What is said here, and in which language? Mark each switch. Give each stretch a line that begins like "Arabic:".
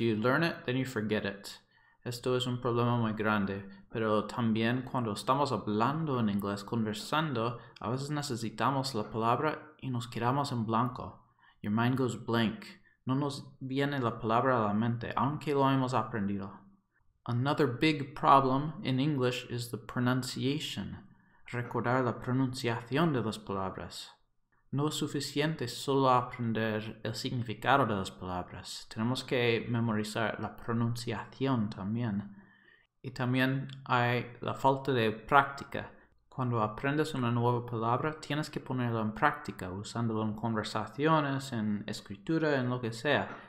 English: You learn it, then you forget it.
Spanish: Esto es un problema muy grande. Pero también cuando estamos hablando en inglés, conversando, a veces necesitamos la palabra y nos quedamos en blanco.
English: Your mind goes blank.
Spanish: No nos viene la palabra a la mente, aunque lo hemos aprendido.
English: Another big problem in English is the pronunciation.
Spanish: Recordar la pronunciación de las palabras. No es suficiente solo aprender el significado de las palabras. Tenemos que memorizar la pronunciación también. Y también hay la falta de práctica. Cuando aprendes una nueva palabra, tienes que ponerla en práctica, usándola en conversaciones, en escritura, en lo que sea.